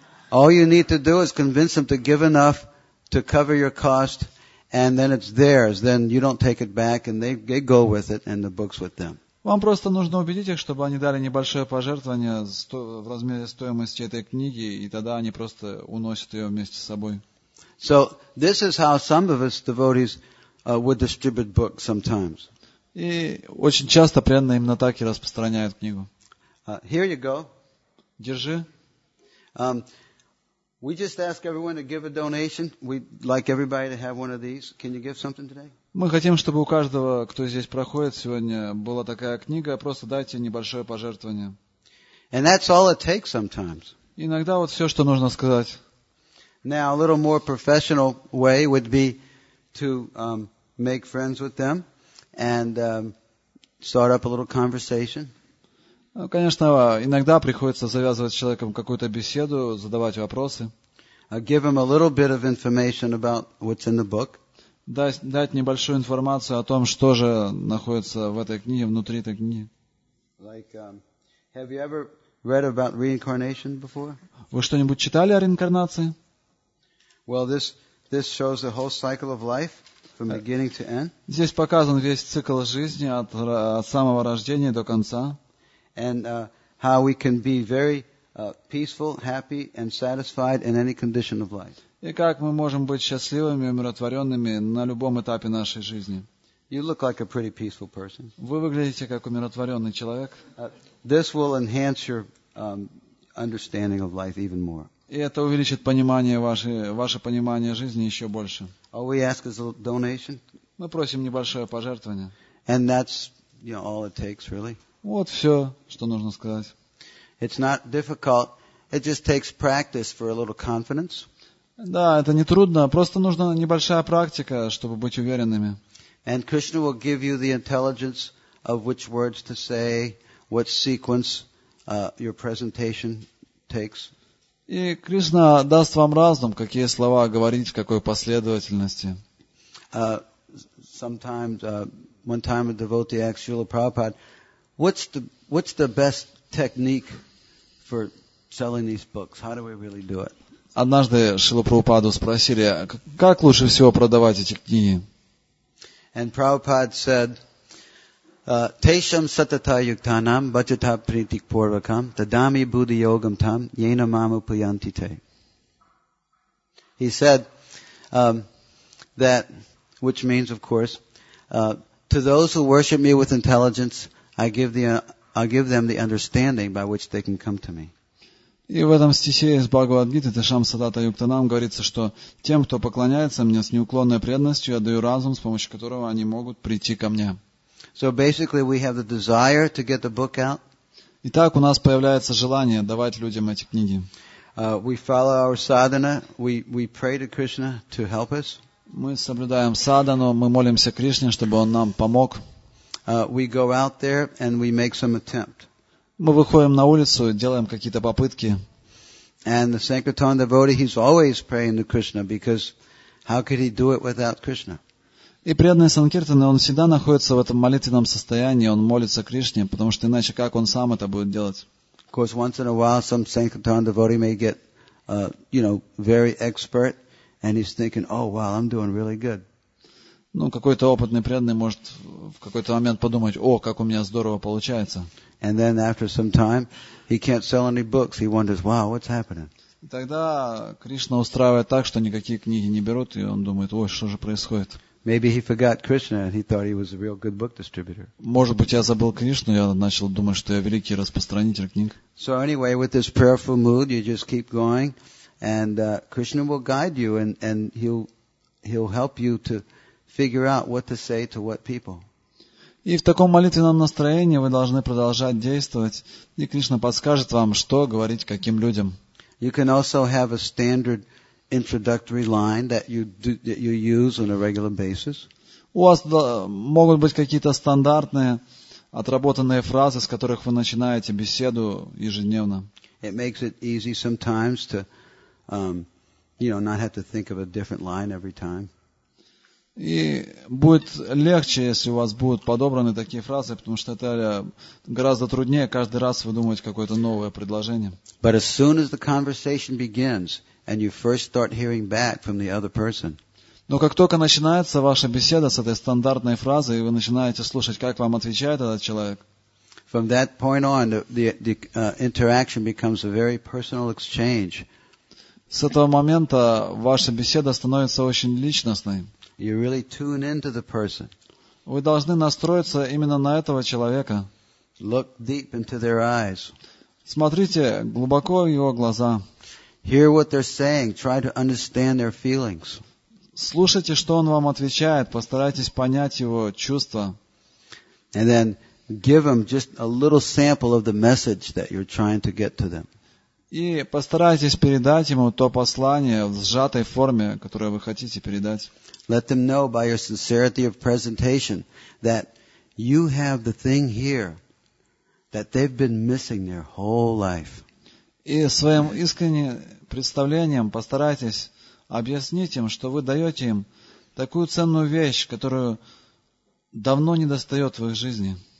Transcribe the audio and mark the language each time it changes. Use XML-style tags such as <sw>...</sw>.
<en>All you need to do is convince them to give enough to cover your cost, and then it's theirs. Then you don't take it back, and they go with it, and the book's with them.</en> <ru>Вам просто нужно убедить их, чтобы они дали небольшое пожертвование в размере стоимости этой книги, и тогда они просто уносят ее вместе с собой.</ru> <en>So this is how some of us devotees would distribute books sometimes.</en> <ru>И очень часто преданные именно так и распространяют книгу.</ru> <en>Here you go.</en> <ru>Держи.</ru> <en>We just ask everyone to give a donation. We'd like everybody to have one of these. Can you give something today?</en> <ru>Мы хотим, чтобы у каждого, кто здесь проходит сегодня, была такая книга. Просто дайте небольшое пожертвование.</ru> <en>And that's all it takes sometimes.</en> <ru>Иногда вот все, что нужно сказать.</ru> <en>Now, a little more professional way would be to make friends with them and start up a little conversation.</en> <ru>Ну, конечно, иногда приходится завязывать с человеком какую-то беседу, задавать вопросы.</ru> <en>Give him a little bit of information about what's in the book.</en> <ru>Дать небольшую информацию о том, что же находится в этой книге, внутри этой книги.</ru> <en>Like, have you ever read about reincarnation before?</en> <ru>Вы что-нибудь читали о реинкарнации?</ru> <en>Well, this shows the whole cycle of life from beginning to end.</en> <ru>Здесь показан весь цикл жизни от самого рождения до конца.</ru> <en>And how we can be very peaceful, happy, and satisfied in any condition of life.</en> <ru>И как мы можем быть счастливыми, умиротворенными на любом этапе нашей жизни?</ru> <en>You look like a pretty peaceful person.</en> <ru>Вы выглядите как умиротворенный человек.</ru> <en>This will enhance your understanding of life even more.</en> <ru>И это увеличит понимание ваше понимание жизни еще больше.</ru> <en>All we ask is a donation.</en> <ru>Мы просим небольшое пожертвование.</ru> <en>And that's all it takes, really.</en> <ru>Вот все, что нужно сказать.</ru> <en>It's not difficult. It just takes practice for a little confidence.</en> <ru>Да, это не трудно. Просто нужна небольшая практика, чтобы быть уверенными.</ru> <en>And Krishna will give you the intelligence of which words to say, what sequence your presentation takes.</en> <ru>И Кришна даст вам разум, какие слова говорить, в какой последовательности.</ru> <en>Sometimes, one time a devotee asked Srila Prabhupada, What's the best technique for selling these books? How do we really do it?</en> <ru>Однажды Шрила Прабхупаду спросили, как лучше всего продавать эти книги?</ru> <en>And Prabhupada said,</en> <sa>Tesham satata yuktanam bhajata pritik purvakam tadami buddhi yogam tam yena mamu puyantite.</sa> <en>He said that, which means, of course, to those who worship me with intelligence, I give them the understanding by which they can come to me.</en> <ru>И в этом стихе из Бхагавад-гиты</ru> <sa>Тешам Садата Юктанам</sa> <ru>говорится, что тем, кто поклоняется мне с неуклонной преданностью, я даю разум, с помощью которого они могут прийти ко мне.</ru> <en>So basically we have the desire to get the book out.</en> <ru>Итак, у нас появляется желание давать людям эти книги.</ru> <en>We follow our sadhana, we pray to Krishna to help us.</en> <ru>Мы соблюдаем садхану, мы молимся Кришне, чтобы он нам помог.</ru> <en>We go out there and we make some attempt.</en> <ru>Мы выходим на улицу, делаем какие-то попытки.</ru> <en>And the sankirtan devotee, he's always praying to Krishna because how could he do it without Krishna?</en> <ru>И преданный санкиртан, он всегда находится в этом молитвенном состоянии, он молится Кришне, потому что иначе как он сам это будет делать?</ru> <en>Of course, once in a while, some sankirtan devotee may get, very expert, and he's thinking, "Oh, wow, I'm doing really good."</en> <ru>Ну, какой-то опытный преданный может в какой-то момент подумать, о, как у меня здорово получается.</ru> <en>And then after some time, he can't sell any books. He wonders, wow, what's happening?</en> <ru>И тогда Кришна устраивает так, что никакие книги не берут, и он думает, ой, что же происходит?</ru> <en>Maybe he forgot Krishna and he thought he was a real good book distributor.</en> <ru>Может быть, я забыл Кришну, я начал думать, что я великий распространитель книг.</ru> <en>So anyway, with this prayerful mood, you just keep going, and Krishna will guide you, and he'll help you to figure out what to say to what people.</en> <ru>И в таком молитвенном настроении вы должны продолжать действовать, и Кришна подскажет вам, что говорить каким людям.</ru> <en>You can also have a standard introductory line that you use on a regular basis.</en> <ru>У вас могут быть какие-то стандартные отработанные фразы, с которых вы начинаете беседу ежедневно.</ru> <en>It makes it easy sometimes to not have to think of a different line every time.</en> <ru>И будет легче, если у вас будут подобраны такие фразы, потому что это гораздо труднее каждый раз выдумывать какое-то новое предложение.</ru> <en>But as soon as the conversation begins and you first start hearing back from the other person.</en> <ru>Но как только начинается ваша беседа с этой стандартной фразой, и вы начинаете слушать, как вам отвечает этот человек,</ru> <en>from that point on, the interaction becomes a very personal exchange.</en> <ru>С этого момента ваша беседа становится очень личностной.</ru> <en>You really tune into the person.</en> <ru>Вы должны настроиться именно на этого человека.</ru> <en>Look deep into their eyes.</en> <ru>Смотрите глубоко в его глаза.</ru> <en>Hear what they're saying. Try to understand their feelings.</en> <ru>Слушайте, что он вам отвечает. Постарайтесь понять его чувства.</ru> <en>And then give them just a little sample of the message that you're trying to get to them.</en> <ru>И постарайтесь передать ему то послание в сжатой форме, которое вы хотите передать.</ru> <en>Let them know by your sincerity of presentation that you have the thing here that they've been missing their whole life.</en> <ru>И своим искренним представлением постарайтесь объяснить им, что вы даете им такую ценную вещь, которую давно не достает в их жизни.</ru>